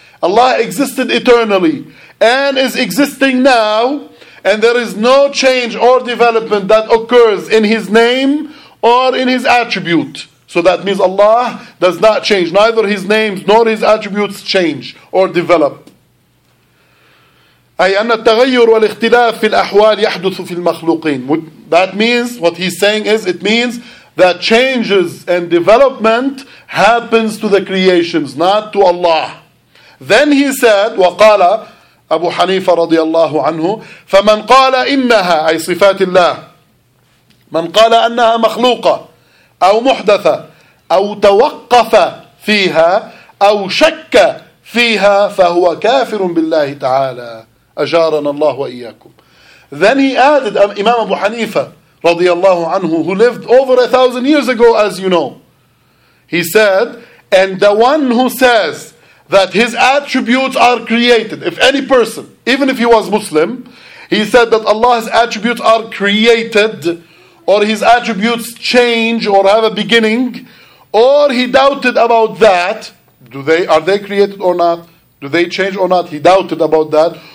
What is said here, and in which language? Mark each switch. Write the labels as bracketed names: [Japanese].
[English] Allah existed eternally and is existing now, and there is no change or development that occurs in His name or in His attribute. So that means Allah does not change. Neither His names nor His attributes change or develop. [Arabic] أي أن التغير والاختلاف في الأحوال يحدث في المخلوقين. [English] That means, what he's saying is, it means that changes and development happens to the creations, not to Allah. Then he said, [Arabic] وقال أبو حنيفة رضي الله عنه, فمن قال إنها, أي صفات الله, من قال أنها مخلوقة أو محدثة أو توقف فيها أو شك فيها فهو كافر بالله تعالى. أجارنا الله وإياكم. [English] Then he added, Imam Abu Hanifa [Arabic] رضي الله عنه, [English] who lived over 1,000 years ago, as you know, he said, and the one who says that his attributes are created, if any person, even if he was Muslim, he said that Allah's attributes are created, or his attributes change or have a beginning, or he doubted about that, are they created or not, do they change or not, he doubted about that,